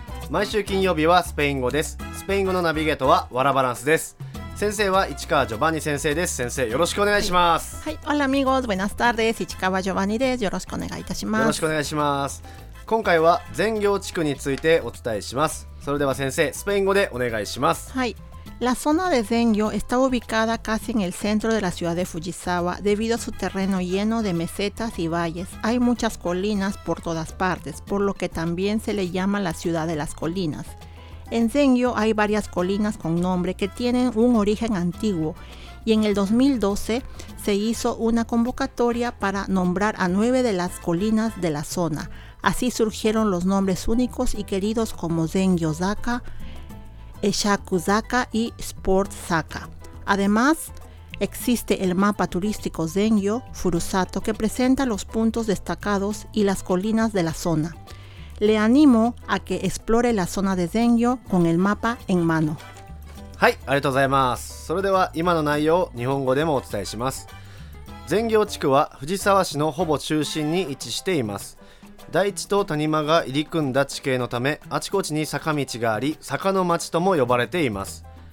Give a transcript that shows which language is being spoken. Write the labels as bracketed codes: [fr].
[ja] 毎週金曜日はスペイン語です。スペイン語のナビゲートはワラバランスです。先生は市川ジョバニ先生です。先生よろしくお願いします。はい、オラアミゴーズ、ブエナスタールです。市川ジョバニです。よろしくお願いいたします。よろしくお願いします。今回は全行地区についてお伝えします。それでは先生、スペイン語でお願いします。 [es] はい、La zona de Zengyo está ubicada casi en el centro de la ciudad de Fujisawa debido a su terreno lleno de mesetas y valles. Hay muchas colinas por todas partes, por lo que también se le llama la ciudad de las colinas. En Zengyo hay varias colinas con nombre que tienen un origen antiguo y en el 2012 se hizo una convocatoria para nombrar a 9 de las colinas de la zona. Así surgieron los nombres únicos y queridos como Zengyo Zaka,Eshakuzaka y Sportzaka. Además, existe el mapa turístico Zengyo Furusato que presenta los puntos destacados y las colinas de la zona. Le animo a que explore la zona de Zengyo con el mapa en mano. [ja] はい、ありがとうございます。それでは今の内容を日本語でもお伝えします。全行地区は藤沢市のほぼ中心に位置しています。大地と谷間が入り組んだ地形のため、あちこちに坂道があり、坂の町とも呼ばれています。